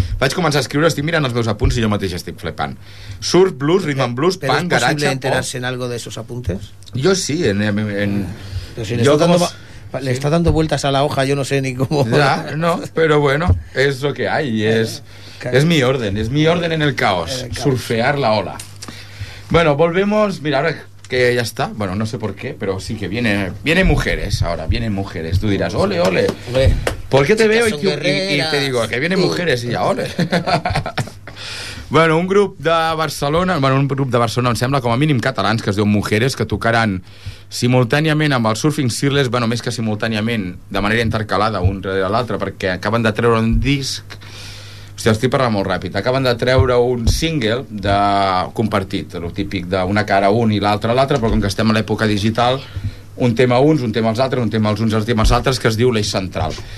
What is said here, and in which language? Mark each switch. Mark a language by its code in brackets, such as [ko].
[ca] Vaig començar a escriure, estic mirant els meus apunts i jo mateix estic flipant. [es] Surf, blues, rhythm and blues, punk, garage, pop. ¿Pero es posible enterarse en algo de esos apuntes? [ca] Jo sí. En si jo com... [es] Le está dando vueltas a la hoja, yo no sé ni cómo... Ya, no, pero bueno, es lo que hay. Es mi orden, es mi orden en el caos. Surfear la ola. Bueno, volvemos, mira, ahora que ya está, bueno, no sé por qué, pero sí que vienen mujeres ahora, vienen mujeres. Tú dirás, ole, ole, ¿por qué te veo y te digo que vienen mujeres y ya, ole? [ca] Bueno, un grup de Barcelona, bueno, un grup de Barcelona, em sembla, com a mínim catalans, que es diu Mujeres, que tocaran simultàniament amb el Surfing Searles, bueno, més que simultàniament, de manera intercalada, un darrere l'altre, perquè acaben de treure un disc... Hòstia, estic parlant molt ràpid. Acaben de treure un single de compartit, el típic d'una cara un i l'altra a l'altra, però com que estem a l'època digital, un tema uns, un tema els altres, un tema els uns, els temes altres, que es diu l'Eix Central.